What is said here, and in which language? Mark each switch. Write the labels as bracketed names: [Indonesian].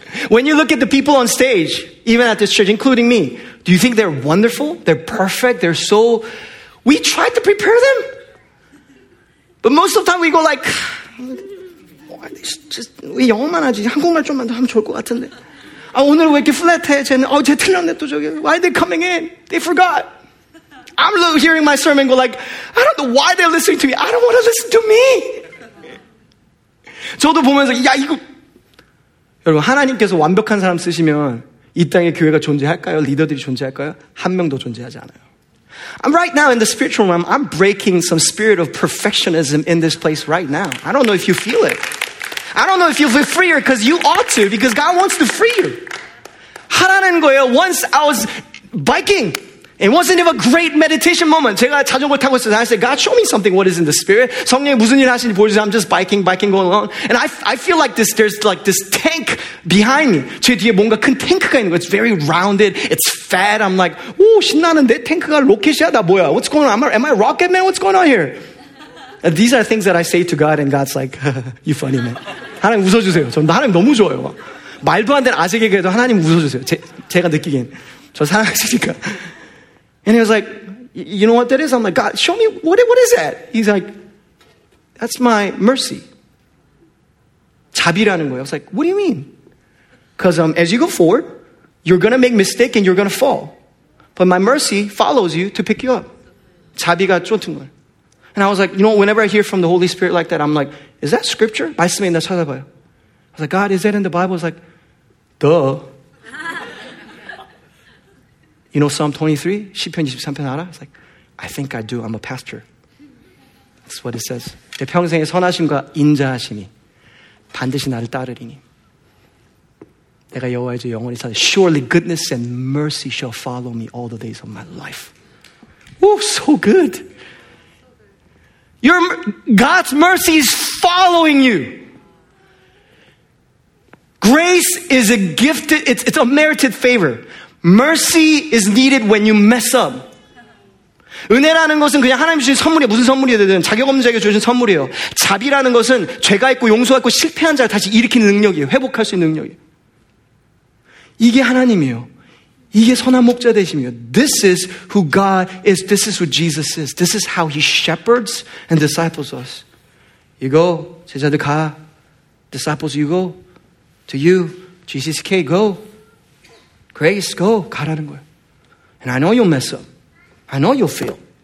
[English] When you look at the people on stage, even at this church, including me, do you think they're wonderful? They're perfect? They're so... We try to prepare them. But most of the time we go like... [Korean] Just, 왜 영어만 하지? 한국말 좀만 더 하면 좋을 것 같은데. 아, 오늘 왜 이렇게 플랫해? 쟤는, 어, 쟤 틀렸네, 또 저기. [English] Why are they coming in? They forgot. I'm hearing my sermon go like, I don't know why they're listening to me. I don't want to listen to me. [Korean] 저도 보면서, 야, 이거, 여러분, 하나님께서 완벽한 사람 쓰시면 이 땅에 교회가 존재할까요? 리더들이 존재할까요? 한 명도 존재하지 않아요. [English] I'm right now in the spiritual realm. I'm breaking some spirit of perfectionism in this place right now. I don't know if you feel it. I don't know if you feel freer because you ought to, because God wants to free you. [Korean] 하라는 거예요. [English] Once I was biking. It wasn't even a great meditation moment. [Korean] 제가 자전거 타고 있어요. [English] I said, God, show me something. What is in the spirit? [Korean] 성령이 무슨 일 하시는지 보여주세요. [English] I'm just biking, going along. And I feel like this. There's like this tank behind me. [Korean] 제 뒤에 뭔가 큰 탱크가 있는 거. [English] It's very rounded. It's fat. I'm like, [Korean] 오, 신나는데 탱크가 로켓이야? 나 뭐야? [English] What's going on? Am I rocket man? What's going on here? And these are things that I say to God, and God's like, you funny man. [Korean] 하나님 웃어주세요. 전 하나님 너무 좋아요. 말도 안 되는 아재 개그에도 하나님 웃어주세요. 제가 느끼기엔 저 사랑하시니까. [English] And he was like, you know what that is? I'm like, God, show me, what is that? He's like, that's my mercy. [Korean] 자비라는 거예요. [English] I was like, what do you mean? Because as you go forward, you're going to make mistake and you're going to fall. But my mercy follows you to pick you up. [Korean] 자비가 쫓은 거예요. [English] And I was like, you know, whenever I hear from the Holy Spirit like that, I'm like, is that scripture? [Korean] 말씀에 있나 찾아봐요. [English] I was like, God, is that in the Bible? I was like, duh. You know Psalm 23? [Korean] 시편 23편 알아? [English] It's like, I think I do. I'm a pastor. That's what it says. [Korean] 내 평생의 선하심과 인자하심이 반드시 나를 따르리니. 내가 여호와의 주 영원히 살리. [English] Surely goodness and mercy shall follow me all the days of my life. Oh, so good. God's mercy is following you. Grace is a gifted, it's a merited favor. Mercy is needed when you mess up. [Korean] 은혜라는 것은 그냥 하나님 주신 선물이에요. 무슨 선물이든 자격 없는 자에게 주신 선물이에요. 자비라는 것은 죄가 있고 용서가 있고 실패한 자를 다시 일으키는 능력이에요. 회복할 수 있는 능력이에요. 이게 하나님이에요. 이게 선한 목자 되심이에요. [English] This is who God is. This is who Jesus is. This is how he shepherds and disciples us. You go, [Korean] 제자들 가. [English] Disciples, you go. To you, Jesus K, go. Grace, go. [Korean] 가라는 거예요. [English] And I know you'll mess up. I know you'll fail.